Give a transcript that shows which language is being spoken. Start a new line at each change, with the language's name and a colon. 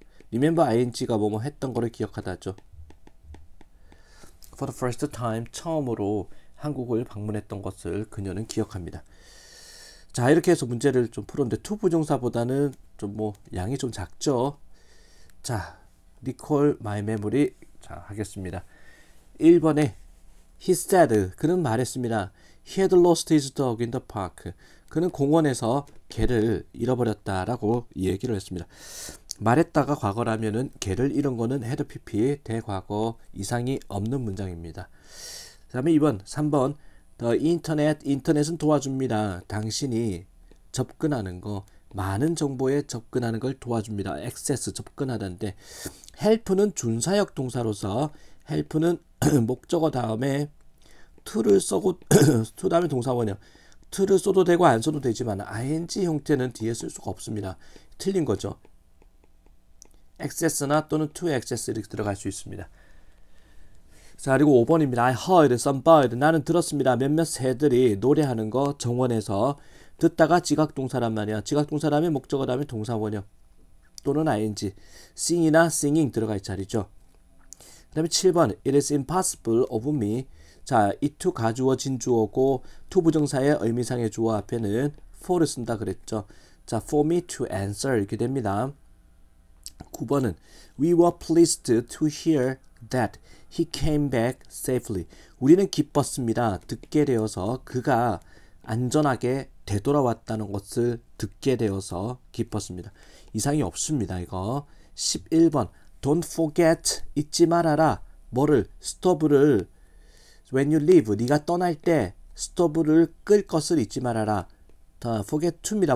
Korean: Remember ing가 뭐뭐 했던 거를 기억하다죠.
English: For the first time,
Korean: 처음으로 한국을 방문했던 것을 그녀는 기억합니다. 자, 이렇게 해서 문제를 좀 풀었는데, to 부정사보다는 좀뭐 양이 좀 작죠. 자, recall my memory. 자, 하겠습니다. 1번에
English: He said,
Korean: 그는 말했습니다.
English: He had lost his dog in the park.
Korean: 그는 공원에서 개를 잃어버렸다라고 얘기를 했습니다. 말했다가 과거라면은 개를 잃은 거는 had PP, 대과거 이상이 없는 문장입니다. 그 다음에 2번, 3번, The 인터넷은 도와줍니다. 당신이 접근하는 거, 많은 정보에 접근하는 걸 도와줍니다. Access, 접근하다인데, help는 준사역 동사로서 help는 목적어 다음에 to를 쓰고 to 다음에 동사 뭐냐? to를 써도 되고 안 써도 되지만 ing 형태는 뒤에 쓸 수가 없습니다. 틀린 거죠. access나 또는 to access 이렇게 들어갈 수 있습니다.
English: 자,
Korean: 그리고 5번입니다.
English: I heard some bird.
Korean: 나는 들었습니다. 몇몇 새들이 노래하는 거 정원에서 듣다가 지각 동사란 말이야. 지각 동사라면 목적어 다음에 동사 뭐냐? 또는 ing. sing이나 singing 들어갈 자리죠. 그다음에 7번.
English: It is impossible of me.
Korean: 자, it to 가주어 진주어고 to 부정사의 의미상의 주어 앞에는 for를 쓴다 그랬죠.
English: 자, for me to answer
Korean: 이렇게 됩니다.
English: 9번은 We were pleased to hear that he came back safely.
Korean: 우리는 기뻤습니다. 듣게 되어서 그가 안전하게 되돌아왔다는 것을 듣게 되어서 기뻤습니다. 이상이 없습니다, 이거. 11번 Don't forget 잊지 말아라. 뭐를? stop를
English: When you leave,
Korean: 네가 떠날 때 stop를 끌 것을 잊지 말아라. 더 forget to입니다.